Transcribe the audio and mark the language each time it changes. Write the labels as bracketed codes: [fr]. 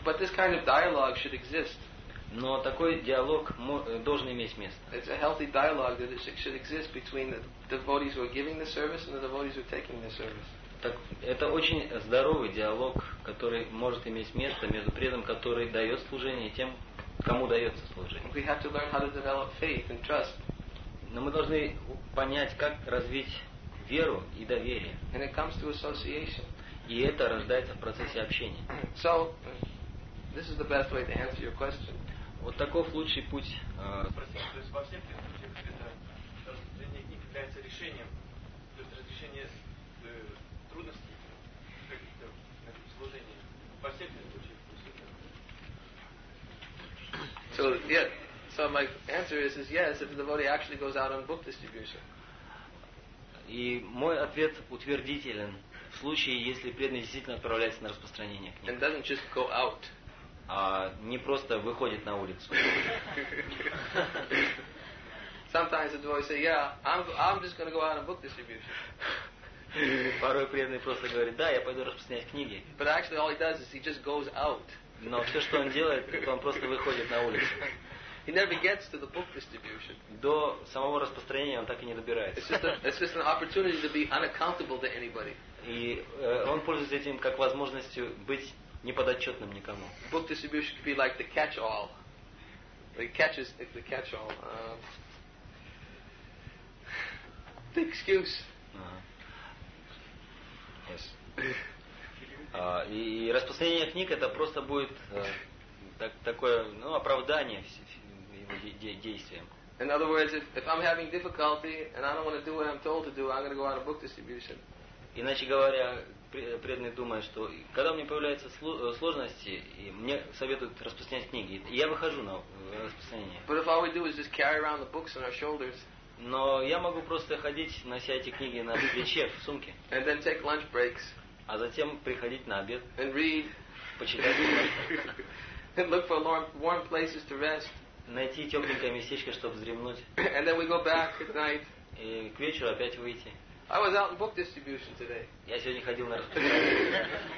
[en] But this kind of dialogue should exist. [ru] Но такой диалог должен иметь место. [en] It's a healthy dialogue that should exist between the devotees who are giving the service and the devotees who are taking the service. [ru] Так, это очень здоровый диалог, который может иметь место между преданным, который дает служение, и тем, кому дается служение. [en] We have to learn how to develop faith and trust. [ru] Но мы должны понять, как развить веру и доверие. [en] And it comes through association. [ru] И это рождается в процессе общения. [en] So, this is the best way to answer your question. [ru] Вот таков лучший путь. Спросите, то есть во всех трех случаях это рождение книг является решением, то есть разрешение трудностей каких-то служений. Во всех трех случаях. [en] So, yeah. So my answer is yes, if the devotee actually goes out on book distribution. [ru] И мой ответ утвердителен в случае, если преданный действительно отправляется на распространение книг. [en] And doesn't just go out. [ru] А не просто выходит на улицу. [en] Sometimes the devotee says, yeah, I'm just going to go out on book distribution. [ru] Порой преданный просто говорит, да, я пойду распространять книги. [en] But actually all he does is he just goes out. [ru] Но все, что он делает, это он просто выходит на улицу. [en] He never gets to the book distribution. [ru] До самого распространения он так и не добирается. [en] It's just an opportunity to be unaccountable to anybody. [ru] И он пользуется этим как возможностью быть неподотчетным никому. [en] Book distribution could be like the catch-all. The catch-all. The excuse. Uh-huh. Yes. [ru] И распространение книг это просто будет такое, ну, оправдание. Действием. [en] In other words, if I'm having difficulty and I don't want to do what I'm told to do, I'm going to go out on book distribution. [ru] Иначе говоря, преданный думает, что когда у меня появляются сложности, мне советуют распространять книги, я выхожу на распространение. [en] But if all we do is just carry around the books on our shoulders. [ru] Но я могу просто ходить, нося эти книги на плече, в сумке. [en] And then take lunch breaks. [ru] А затем приходить на обед. [en] And read. [ru] Почитать. [en] And look for warm places to rest. [ru] Найти тёпленькое местечко, чтобы вздремнуть. [en] And then we go back at night. [ru] И к вечеру опять выйти. [en] I was out in book distribution today. [ru] Я сегодня ходил на распространение.